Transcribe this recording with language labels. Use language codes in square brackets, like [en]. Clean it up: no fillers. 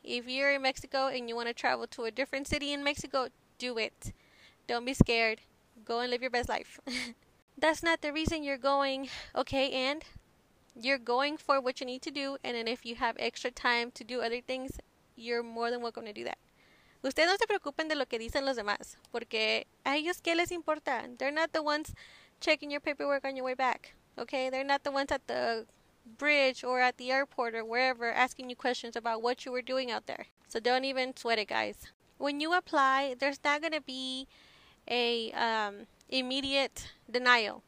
[en] If you're in Mexico and you want to travel to a different city in Mexico, do it. Don't be scared. Go and live your best life. That's not the reason you're going, okay, and you're going for what you need to do, and then if you have extra time to do other things, you're more than welcome to do that. [es] Ustedes no se preocupen de lo que dicen los demás, porque a ellos qué les importa? [en] They're not the ones checking your paperwork on your way back, okay? They're not the ones at the bridge or at the airport or wherever asking you questions about what you were doing out there. So don't even sweat it, guys. When you apply, there's not gonna be a immediate denial.